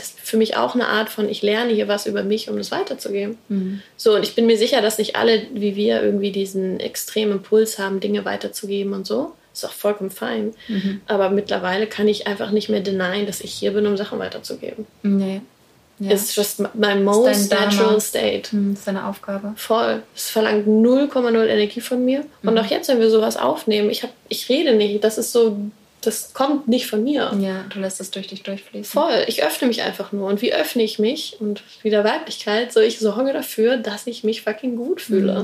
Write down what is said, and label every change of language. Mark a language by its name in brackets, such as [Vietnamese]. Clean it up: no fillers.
[German] Ist für mich auch eine Art von, ich lerne hier was über mich, um das weiterzugeben. Mhm. So, und ich bin mir sicher, dass nicht alle wie wir irgendwie diesen extremen Impuls haben, Dinge weiterzugeben und so. Ist auch vollkommen fein. Mhm. Aber mittlerweile kann ich einfach nicht mehr denyen, dass ich hier bin, um Sachen weiterzugeben. Nee. [English] Ja. It's just my most natural state. [German] Mhm. Das ist deine Aufgabe. Voll. Es verlangt 0,0 Energie von mir. Mhm. Und auch jetzt, wenn wir sowas aufnehmen, ich rede nicht. Das ist so, das kommt nicht von mir. Ja, du lässt es durch dich durchfließen. Voll. Ich öffne mich einfach nur. Und wie öffne ich mich? Und wieder Weiblichkeit. So, ich sorge dafür, dass ich mich fucking gut fühle.